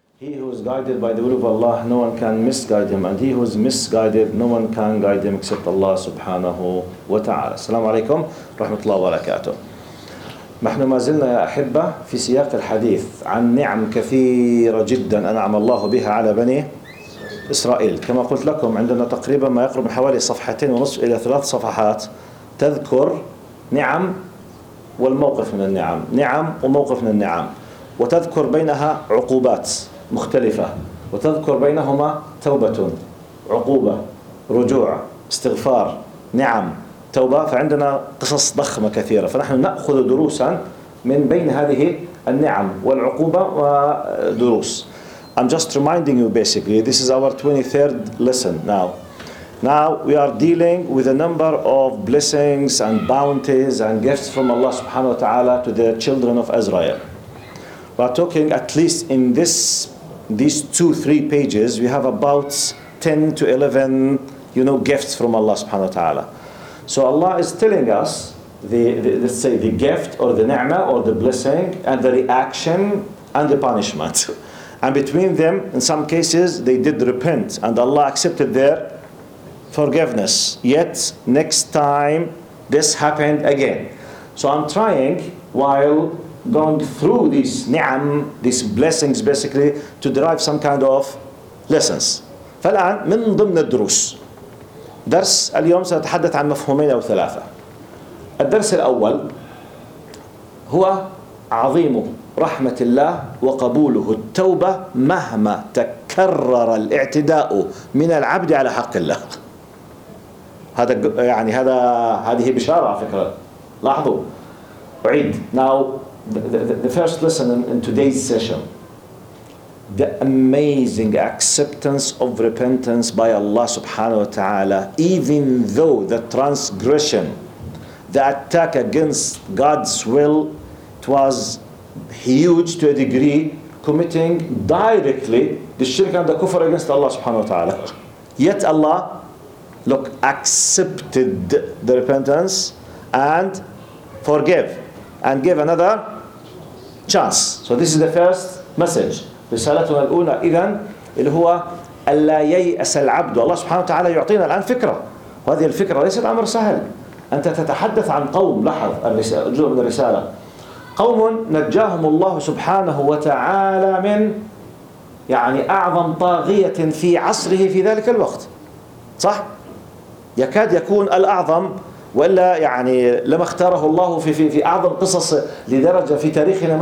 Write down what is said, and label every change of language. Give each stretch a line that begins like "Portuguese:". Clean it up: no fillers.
English: He who is guided by the will of Allah, no one can misguide him. And he who is misguided, no one can guide him except Allah subhanahu wa ta'ala. Assalamu alaikum wa rahmatullahi wa barakatuh.
Arabic: نحن ما زلنا يا أحبة في سياق الحديث عن نعم كثيرة جدا أنعم الله بها على بني إسرائيل. كما قلت لكم عندنا تقريبا ما يقرب من حوالي صفحتين ونصف إلى ثلاث صفحات تذكر نعم والموقف من النعم, نعم وموقف من النعم, وتذكر بينها عقوبات مختلفة, وتذكر بينهما توبة, عقوبة, رجوع, استغفار, نعم, توبة. فعندنا قصص ضخمة كثيرة, فنحن نأخذ دروسا من بين هذه النعم والعقوبة ودروس.
English: I'm just reminding you basically, this is our 23rd lesson now. Now we are dealing with a number of blessings and bounties and gifts from Allah subhanahu wa ta'ala to the children of Israel. We're talking at least in these two, three pages, we have about 10 to 11, you know, gifts from Allah subhanahu wa ta'ala. So Allah is telling us the gift or the ni'mah or the blessing and the reaction and the punishment. And between them, in some cases, they did repent and Allah accepted their forgiveness. Yet next time this happened again. So I'm trying, while going through these ni'am, these blessings basically, to derive some kind of lessons.
Arabic: فالآن من ضمن الدروس درس اليوم سنتحدث عن مفهومين أو ثلاثة. الدرس الأول هو عظيم رحمة الله وقبوله التوبة مهما تكرر الاعتداء من العبد على حق الله. هذا يعني هذه بشارة على فكرة. لاحظوا, أعيد.
English: Now the first lesson in today's session, the amazing acceptance of repentance by Allah subhanahu wa ta'ala, even though the transgression, the attack against God's will, it was huge to a degree, committing directly the shirk and the kufr against Allah subhanahu wa ta'ala. Yet Allah, look, accepted the repentance and forgive and give another chance. So this is the first message.
Arabic: رسالتنا الأولى إذن اللي هو ألا ييأس العبد. الله سبحانه وتعالى يعطينا الآن فكرة, وهذه الفكرة ليست أمر سهل. أنت تتحدث عن قوم, لاحظ جزء من الرسالة, قوم نجاهم الله سبحانه وتعالى من يعني أعظم طاغية في عصره في ذلك الوقت, صح؟ يكاد يكون الأعظم, ولا يعني لما اختاره الله في أعظم قصص لدرجة في تاريخنا.